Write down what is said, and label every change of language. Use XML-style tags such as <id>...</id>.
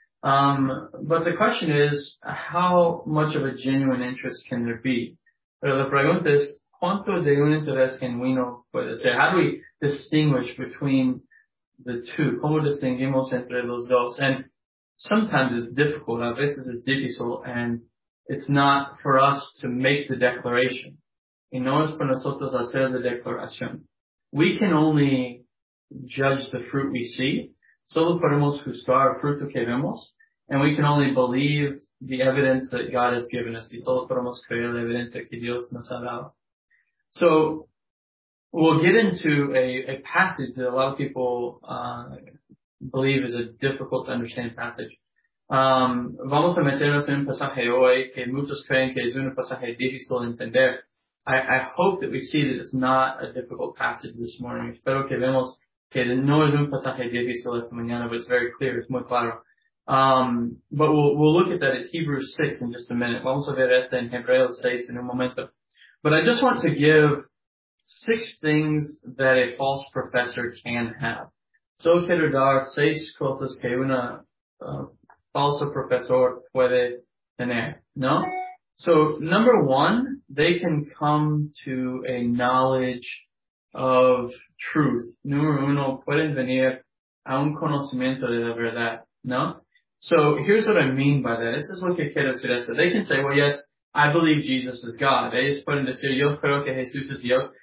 <en>But the question is, how much of a genuine interest can there be?</en> <es>Pero la pregunta es, ¿cuánto de un interés genuino puede ser?</es> <en>How do we distinguish between the two?</en> <es>¿Cómo distinguimos entre los dos?</es> <en>And sometimes it's difficult,</en> <es>a veces es difícil,</es> <en>and it's not for us to make the declaration.</en> <es>Y no es para nosotros hacer la declaración.</es> <en>We can only judge the fruit we see.</en> <es>Solo podemos juzgar el fruto que vemos,</es> <en>and we can only believe the evidence that God has given us.</en> <es>Y solo podemos creer la evidencia que Dios nos ha dado.</es> <en>So, we'll get into a passage that a lot of people believe is a difficult to understand passage.</en> <es>Vamos a meternos en un pasaje hoy que muchos creen que es un pasaje difícil de entender.</es> <en>I hope that we see that it's not a difficult passage this morning.</en> <es>Espero que vemos que no es un pasaje difícil esta mañana,</es> <en>but it's very clear, it's</en> <es>muy claro.</es> <en>But we'll look at that at Hebrews 6 in just a minute.</en> <es>Vamos a ver esta en Hebreos 6 en un momento.</es> <en>But I just want to give six things that a false professor can have.</en> <es>So quiero dar seis cosas que una falsa profesor puede tener, ¿no?</es> <en>So number one, they can come to a knowledge of truth.</en> <es>Número uno, pueden venir a un conocimiento de la verdad, ¿no?</es> <en>So here's what I mean by that. This is</en> <es>lo que quiero suggerir.</es> <en>They can say, well, yes, I believe Jesus is God.</en> <es>Ellos pueden decir, yo creo que Jesús es Dios.</es>